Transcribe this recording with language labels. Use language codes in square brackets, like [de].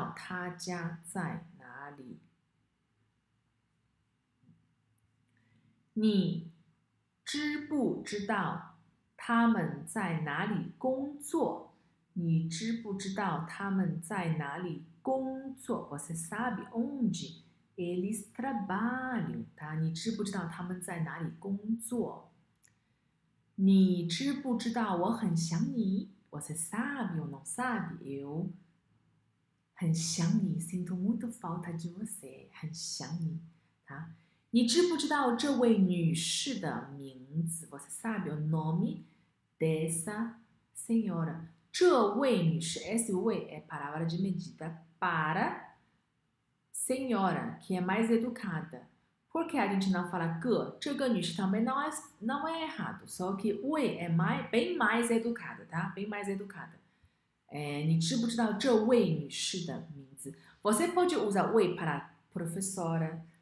[zh] 你知不知道他家在哪里？你知不知道他们在哪里工作？你知不知道他们在哪里工作？ [pt] Você sabe onde eles trabalham, tá? [zh] 你知不知道他们在哪里工作？你知不知道我很想你？ [pt] Você sabe ou não sabe? Eu [zh] 很想你， [pt] sinto muito falta de você，很想你，啊。 [zh] 你知不知道这位女士的名字？ [pt] Você sabe o nome dessa senhora？这位女士，esse 位 é palavra de medida para senhora, que é mais educada. Por que a gente não fala que? 这个女士também não é errado, só que 位 é mais, bem mais educada, tá? Bem mais educada. [zh] 哎，你知不知道这位女士的名字？ [pt] Você pode usar 位 para professora。